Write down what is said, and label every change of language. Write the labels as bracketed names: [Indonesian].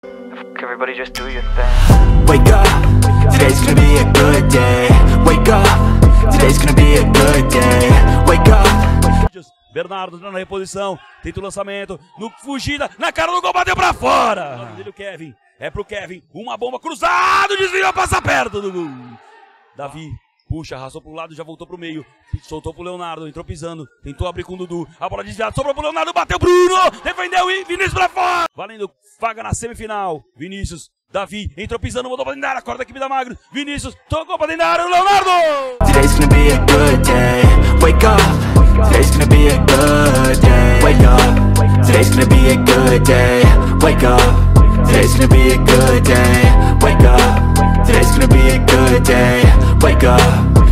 [English] everybody just do your thing. Wake up, today's gonna be a good day. Wake up, today's gonna be a good day. Wake up. [Portuguese] Bernardo na reposição, tenta o lançamento, no fugida, na cara do gol, bateu pra fora. O nome dele, Kevin. É pro Kevin, uma bomba cruzada, desvia, passa perto do gol. Davi. Puxa, arrastou pro lado, já voltou pro meio. Soltou pro Leonardo, entrou pisando. Tentou abrir com o Dudu. A bola desviada, sobrou pro Leonardo, bateu Bruno. Defendeu e Vinícius pra fora. Valendo, vaga na semifinal. Vinícius, Davi, entrou pisando, mandou pra dentro da área. Corta a equipe da Magro. Vinícius, tocou pra dentro da área, Leonardo. [English] Today's gonna be a good day. Wake up. Today's gonna be a good day. Wake up. Today's gonna be a good day. Wake up. Today's gonna be a good day. Wake up. Today's gonna be a good day.